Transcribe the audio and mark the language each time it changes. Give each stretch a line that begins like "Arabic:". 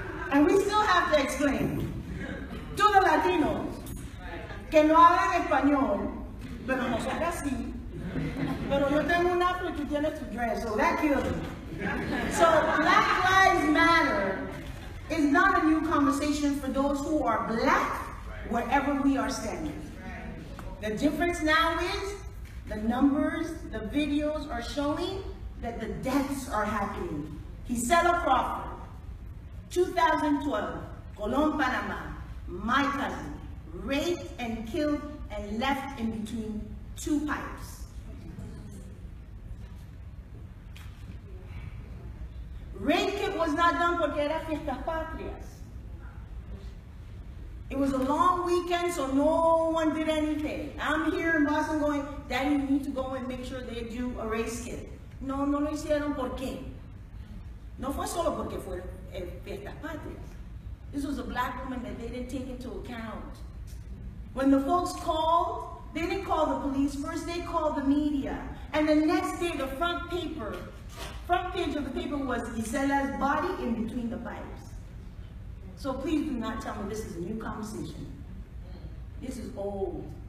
English: And we still have to explain to the Latinos
Spanish: que no hablan español, pero nosotras sí. Pero yo tengo un afro y tú tienes tu
English: dress, so that kills me. So Black Lives Matter is not a new conversation for those who are black, wherever we are standing. The difference now is the numbers, the videos are showing that the deaths are happening. He said a prophet, 2012, Colón, Panama, my cousin, raped and killed and left in between two pipes. Rape was not done
Spanish: porque era fiestas patrias.
English: It was a long weekend, so no one did anything. I'm here in Boston going, Daddy, you need to go and make sure they do a race kit.
Spanish: No, no lo hicieron porque. No fue solo porque fue fiestas patrias.
English: This was a black woman that they didn't take into account. When the folks called, they didn't call the police. First, they called the media. And the next day, the front page of the paper was Gisela's body in between the pipes. So please do not tell me this is a new conversation. This is old.